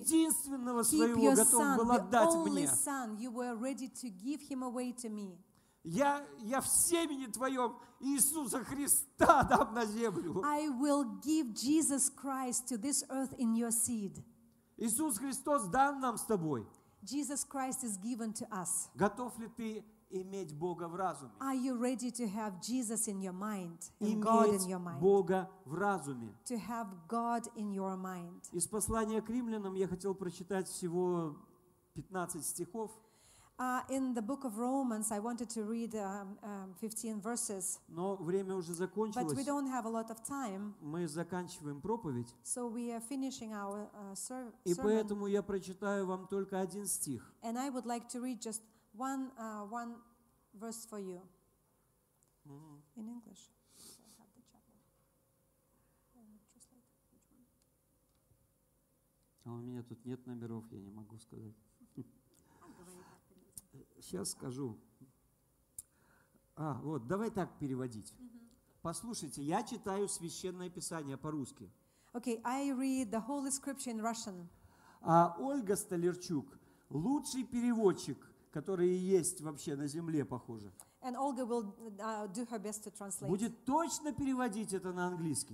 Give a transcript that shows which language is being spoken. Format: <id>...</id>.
<ru>единственного своего готов был отдать мне.</ru> <en>The only son, you were ready to give him away to me.</en> <ru>Я в семени твоем Иисуса Христа дам на землю.</ru> <en>I will give Jesus Christ to this earth in your seed.</en> <ru>Иисус Христос дан нам с тобой.</ru> <en>Jesus Christ is given to us.</en> <ru>Готов ли ты иметь Бога в разуме?</ru> <en>Are you ready to have Jesus in your mind,</en> <ru>иметь</ru> <en>God in your mind?</en> <ru>Бога в разуме.</ru> <en>To have God in your mind.</en> <ru>Из послания к римлянам я хотел прочитать всего 15 стихов.</ru> <en>In the book of Romans, I wanted to read 15 verses.</en> <ru>Но время уже закончилось.</ru> <en>But we don't have a lot of time.</en> <ru>Мы заканчиваем проповедь.</ru> <en>So we are finishing our sermon.</en> <ru>И поэтому я прочитаю вам только один стих.</ru> <en>And I would like to read just one verse for you. Mm-hmm. In English.</en> <ru>А у меня тут нет номеров, я не могу сказать. Сейчас скажу. А, вот, давай так переводить. Mm-hmm. Послушайте, я читаю Священное Писание по-русски.</ru> <en>Okay, I read the Holy Scripture in Russian.</en> <ru>А Ольга Столярчук, лучший переводчик, который есть вообще на земле, похоже.</ru> <en>And Olga will do her best to translate.</en> <ru>Будет точно переводить это на английский.</ru>